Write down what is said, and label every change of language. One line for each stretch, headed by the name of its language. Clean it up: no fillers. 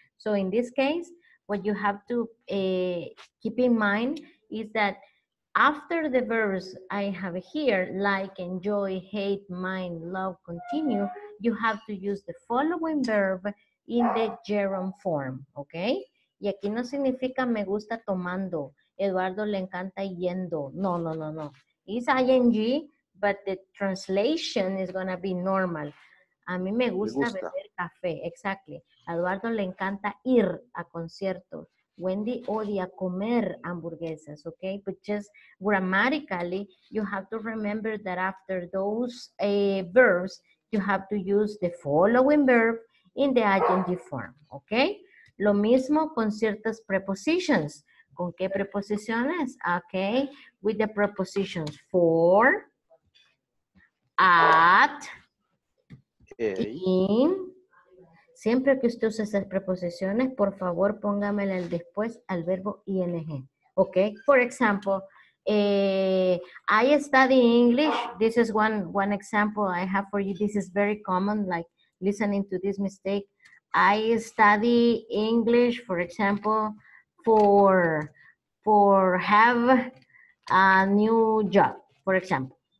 English: So in this case, what you have to keep in mind is that after the verbs I have here, like, enjoy, hate, mind, love, continue, you have to use the following verb in the gerund form, okay?
Spanish: Y aquí no significa me gusta tomando, Eduardo le encanta yendo. No.
English: It's ing, but the translation is going to be normal.
Spanish: A mí me gusta beber café, exactly. Eduardo le encanta ir a conciertos. Wendy odia comer hamburguesas,
English: okay? But just grammatically, you have to remember that after those verbs, you have to use the following verb in the ing form, okay?
Spanish: Lo mismo con ciertas prepositions. ¿Con qué preposiciones?
English: Okay, with the prepositions for, at, in.
Spanish: Siempre que usted use esas preposiciones, por favor, póngamela el después al verbo ing.
English: Okay, for example, I study English. This is one example I have for you. This is very common, like listening to this mistake. I study English, for example, for have a new job, for example.